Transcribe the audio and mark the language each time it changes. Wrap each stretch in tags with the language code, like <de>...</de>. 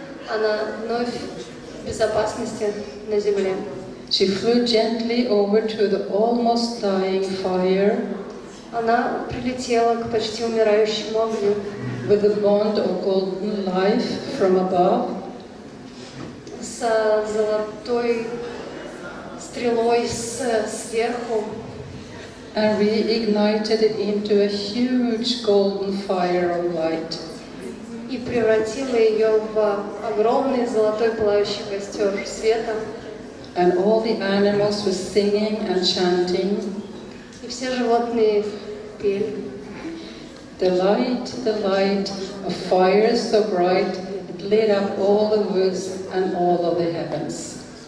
<ru>Она вновь в безопасности на земле.</ru> <en>She flew gently over to the almost dying fire.</en> <ru>Она прилетела к почти умирающему огню.</ru> <en>With a bond of golden life from above.</en> <ru>С золотой стрелой сверху.</ru> <en>And reignited it into a huge golden fire of light.</en> <ru>И превратила ее в огромный золотой пылающий костер света.</ru> <en>And all the animals were singing and chanting.</en> <ru>И все животные пели.</ru> <en>The light of fire so bright, it lit up all the woods and all of the heavens.</en>